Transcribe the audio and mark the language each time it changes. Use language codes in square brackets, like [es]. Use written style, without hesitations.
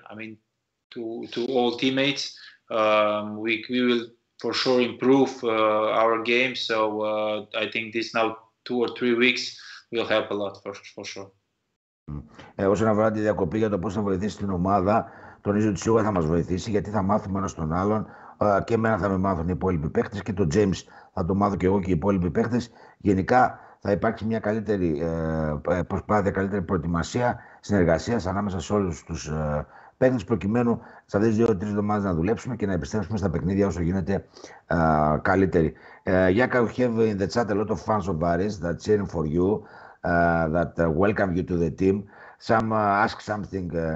[en] I mean to all teammates we will for sure improve our game, so I think this now 2 or 3 weeks will help a lot for sure. [el] Όσον αφορά τη διακοπή για το πώς θα βοηθήσει την ομάδα, τονίζω ότι σίγουρα θα μας βοηθήσει γιατί θα μάθουμε ένας τον άλλον και εμένα θα με μάθουν οι υπόλοιποι παίχτες και τον James θα το μάθω και εγώ και οι υπόλοιποι παίχτες. Γενικά θα υπάρξει μια καλύτερη προσπάθεια, καλύτερη προετοιμασία συνεργασίας ανάμεσα σε όλους τους παίχτες προκειμένου σε αυτές τις 2-3 εβδομάδες να δουλέψουμε και να επιστρέψουμε στα παιχνίδια όσο γίνεται καλύτεροι. [en] Γιάκα, we have in the chat a lot of fans of Paris that cheering for you. That welcome you to the team. Some ask something.